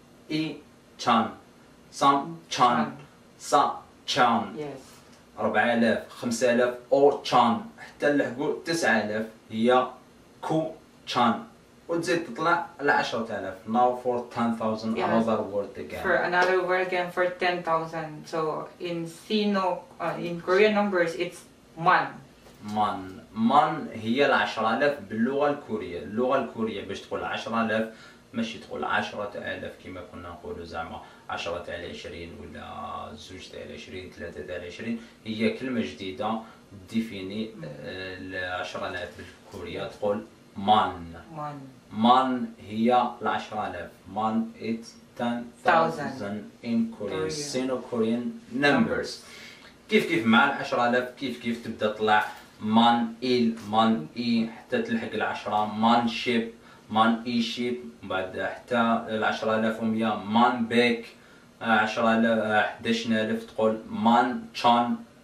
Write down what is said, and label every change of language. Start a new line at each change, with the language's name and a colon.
Arabic: إي تشان سان تشان سان تشان ربع ألاف خمس ألاف أو تشان حتى لحقو تسع ألاف هي كو تشان وتزيد تطلع على 10,000.
English: Now for 10,000 yes. Another word again. For another word again for 10,000. So in Sino, in Korean numbers, it's man. Man.
Arabic: Man هي 10,000 باللغة الكورية. اللغة الكورية باش تقول 10,000 ماشي تقول 10,000 كما كنا نقولوا زعما 10 تاع 20 ولا 2 تاع 20 3 تاع 20 هي كلمة جديدة ديفيني 10,000 بالكورية تقول مان. مان هي العشرة آلاف.
English: مان it's 10,000 in Korean Sino Korean numbers.
Arabic: كيف كيف مع العشرة آلاف كيف كيف تبدأ تطلع مان إيل مان إي حتى تلحق العشرة. مان شيب مان إي شيب بعد حتى العشرة آلاف ومية. مان بيك عشرة آلاف حداشن آلاف تقول مان تشان.